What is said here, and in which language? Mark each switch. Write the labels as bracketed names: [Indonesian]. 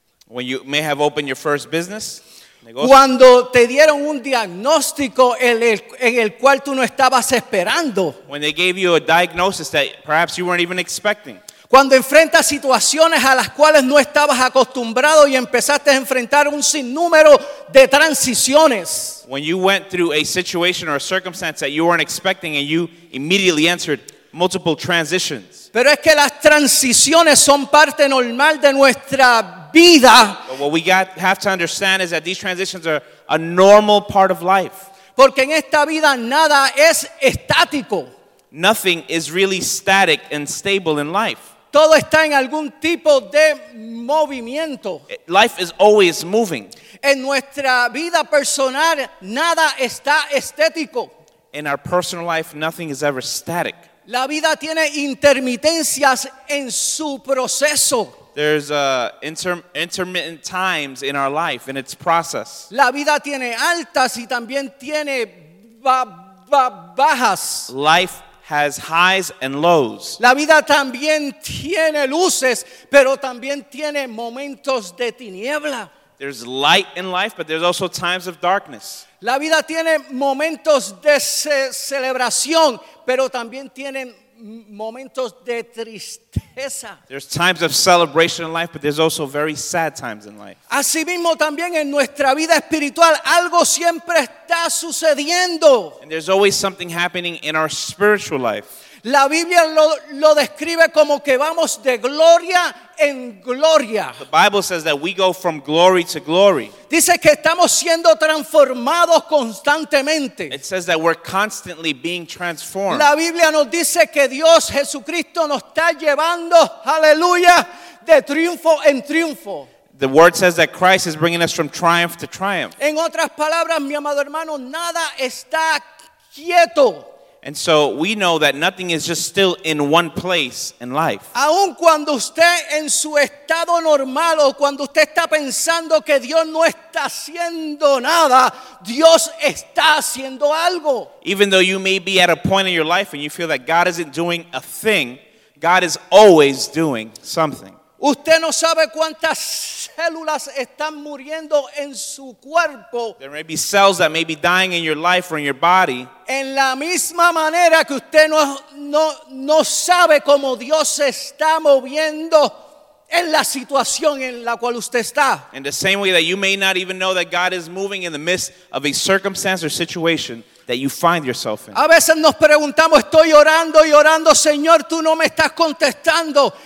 [English] When you may have opened your first business. [Spanish] Cuando te dieron un diagnóstico en el cual tú no estabas esperando. [English] When they gave you a diagnosis that perhaps you weren't even expecting. [Spanish] Cuando enfrentas situaciones a las cuales no estabas acostumbrado y empezaste a enfrentar un sinnúmero de transiciones. [English] When you went through a situation or a circumstance that you weren't expecting and you immediately entered multiple transitions. [Spanish] Pero es que las transiciones son parte normal de nuestra vida. [English] But what we have to understand is that these transitions are a normal part of life. [Spanish] Porque en esta vida nada es estático. [English] Nothing is really static and stable in life. [Spanish] Todo está en algún tipo de movimiento. [English] Life is always moving. [Spanish] En nuestra vida personal, nada está estético. [English] In our personal life, nothing is ever static. [Spanish] La vida tiene intermitencias en su proceso. [English] There's intermittent times in our life, in its process. [Spanish] La vida tiene altas y también tiene bajas. [English] Life has highs and lows. [Spanish] La vida también tiene luces, pero también tiene momentos de tiniebla. [English] There's light in life, but there's also times of darkness. [Spanish] La vida tiene momentos de celebración, pero también tiene momentos de tristeza. [English] There's times of celebration in life, but there's also very sad times in life. [Spanish] Asimismo, también en nuestra vida espiritual, algo siempre está sucediendo. [English] And there's always something happening in our spiritual life. [Spanish] La Biblia lo describe como que vamos de gloria en gloria. [English] The Bible says that we go from glory to glory. [Spanish] Dice que estamos siendo transformados constantemente. [English] It says that we're constantly being transformed. [Spanish] La Biblia nos dice que Dios Jesucristo nos está llevando, aleluya, de triunfo en triunfo. [English] The word says that Christ is bringing us from triumph to triumph. [Spanish] En otras palabras, mi amado hermano, nada está quieto. [English] And so we know that nothing is just still in one place in life. [Spanish] Aun cuando usted en su estado normal o cuando usted está pensando que Dios no está haciendo nada, Dios está haciendo algo. [English] Even though you may be at a point in your life and you feel that God isn't doing a thing, God is always doing something. [Spanish] Usted no sabe cuántas células están muriendo en su cuerpo. [English] There may be cells that may be dying in your life or in your body. [Spanish] En la misma manera que usted no sabe cómo Dios se está moviendo en la situación en la cual usted está. [English] In the same way that you may not even know that God is moving in the midst of a circumstance or situation that you find yourself in. [Spanish] A veces nos preguntamos, estoy orando y orando, Señor, tú no me estás contestando.